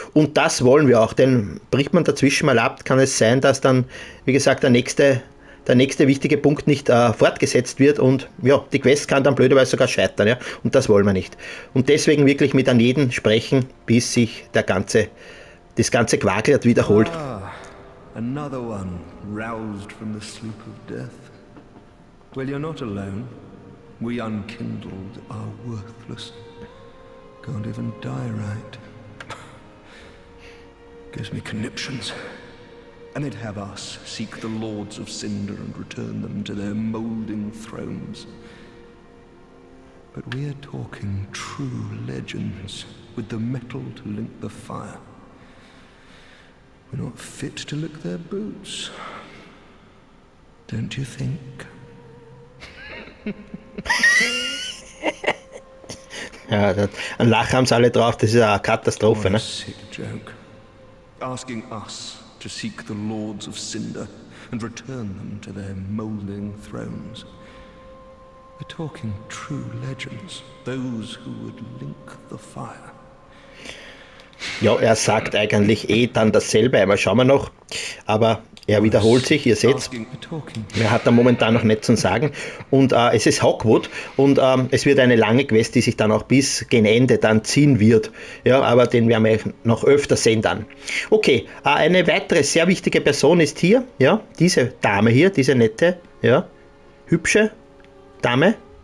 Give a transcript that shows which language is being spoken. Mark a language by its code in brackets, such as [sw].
[de] Und das wollen wir auch, denn bricht man dazwischen mal ab, kann es sein, dass dann, wie gesagt, der nächste wichtige Punkt nicht fortgesetzt wird und ja, die Quest kann dann blöderweise sogar scheitern, ja, und das wollen wir nicht. Und deswegen wirklich mit an jeden sprechen, bis sich das ganze Quakelt wiederholt. [en] Another one roused from the sleep of death. Well, you're not alone. We unkindled are worthless. Can't even die right. Gives me conniptions. And it have us seek the lords of Cinder and return them to their molding thrones. But we are talking true legends with the metal to link the fire. We're not fit to lick their boots. Don't you think? [de] Ja, ein Lachen haben sie alle drauf, das ist eine Katastrophe, ne? [en] Sick joke. Asking us to seek the lords of Cinder and return them to their molding thrones. We're talking true legends, those who would link the fire. [de] Ja, er sagt eigentlich eh dann dasselbe, einmal schauen wir noch. Aber er wiederholt sich, ihr seht's. Er hat da momentan noch nichts zu sagen. Und es ist Hogwood und es wird eine lange Quest, die sich dann auch bis gen Ende dann ziehen wird. Ja, aber den werden wir noch öfter sehen dann. Okay, eine weitere sehr wichtige Person ist hier, ja, diese Dame hier, diese nette, ja, hübsche Dame.